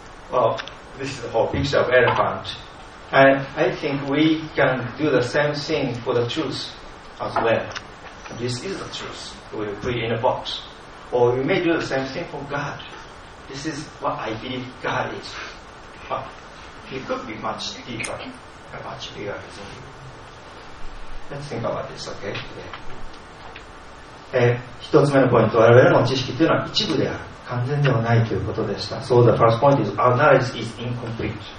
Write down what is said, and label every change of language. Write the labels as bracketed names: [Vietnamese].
[English] Well, this is the whole picture of elephant. And I think we can do the same thing for the truth as well. This is the truth we put in a box. Or we may do the same thing for God. This is what I believe God is. But he could be much deeper, much bigger, isn't he? Let's think about this, okay? Yeah. [Japanese] 一つ目のポイント、我々の知識というのは一部である、完全ではないということでした。 [English] So the first point is our knowledge is incomplete.